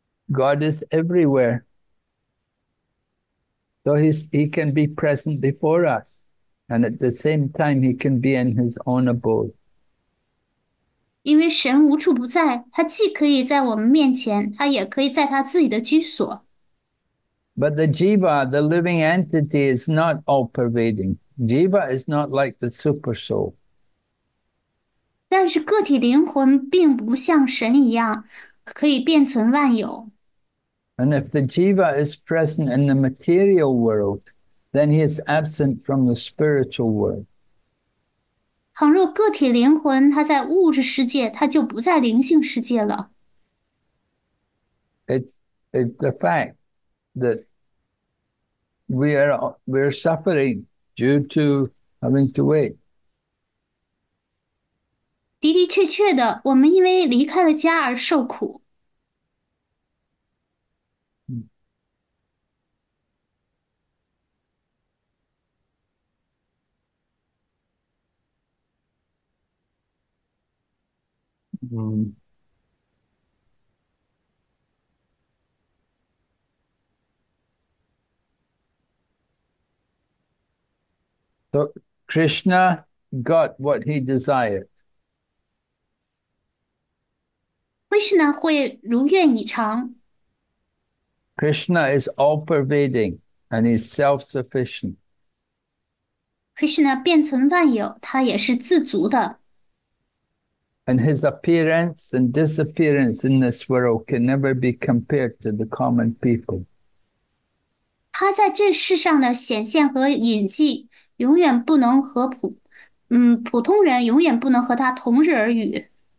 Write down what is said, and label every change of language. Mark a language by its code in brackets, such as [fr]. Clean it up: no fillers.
[en] God is everywhere. So he can be present before us, and at the same time he can be in his own abode. [zh] 因为神无处不在，他既可以在我们面前，他也可以在他自己的居所。 [en] But the jiva, the living entity, is not all-pervading. Jiva is not like the super soul. [zh] 但是个体灵魂并不像神一样，可以遍存万有。 [en] And if the jiva is present in the material world, then he is absent from the spiritual world. [zh] 倘若个体灵魂它在物质世界，它就不在灵性世界了。 [en] It's the fact that we're suffering due to having to wait. [zh] 的的确确的，我们因为离开了家而受苦。 [en] So Krishna got what he desired. [zh] Krishna 会如愿以偿。 [en] Krishna is all-pervading and he's self-sufficient. [zh] Krishna 遍存万有，他也是自足的。 [en] And his appearance and disappearance in this world can never be compared to the common people. [zh] 他在这世上的显现和隐迹，永远不能和普通人永远不能和他同日而语。